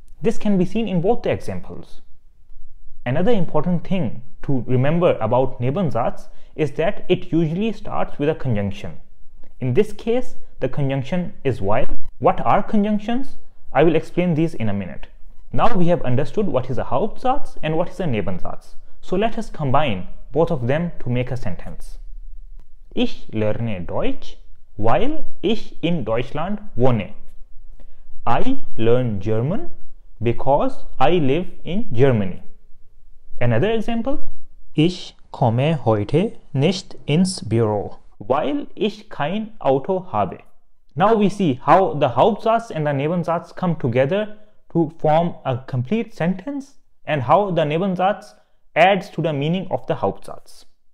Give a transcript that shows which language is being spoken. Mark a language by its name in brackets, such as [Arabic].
[English] This can be seen in both the examples. Another important thing to remember about Nebensatz is that it usually starts with a conjunction. In this case, the conjunction is while. What are conjunctions? I will explain these in a minute. Now we have understood what is a Hauptsatz and what is a Nebensatz. So let us combine both of them to make a sentence. [German] Ich lerne Deutsch, weil ich in Deutschland wohne. [English] I learn German because I live in Germany. Another example. [German] Ich komme heute nicht ins Büro. Weil ich kein Auto habe. [English] Now we see how the Hauptsatz and the Nebensatz come together to form a complete sentence, and how the Nebensatz adds to the meaning of the Hauptsatz.